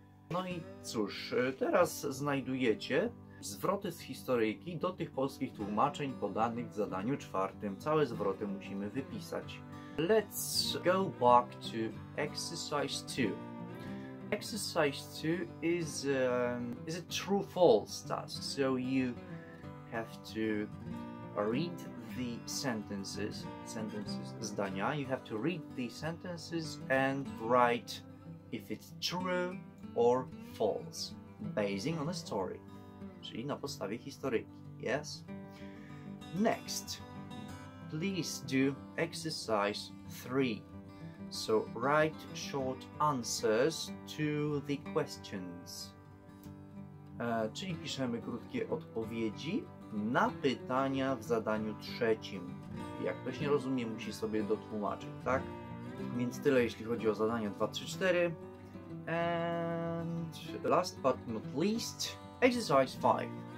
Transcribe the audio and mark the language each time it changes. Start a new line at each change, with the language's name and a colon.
Polish: No i cóż, teraz znajdujecie zwroty z historyjki do tych polskich tłumaczeń podanych w zadaniu czwartym. Całe zwroty musimy wypisać.
English: Let's go back to exercise 2. Exercise 2 is a true-false task, so you have to read the sentences, zdania. You have to read the sentences and write if it's true or false, basing on a story,
Polish: czyli na podstawie historyjki,
English: yes? Next, please do exercise 3. So, write short answers to the questions.
Polish: Czyli piszemy krótkie odpowiedzi na pytania w zadaniu trzecim. Jak ktoś nie rozumie, musi sobie dotłumaczyć, tak? Więc tyle, jeśli chodzi o zadania 2, 3, 4.
English: And last but not least, exercise 5.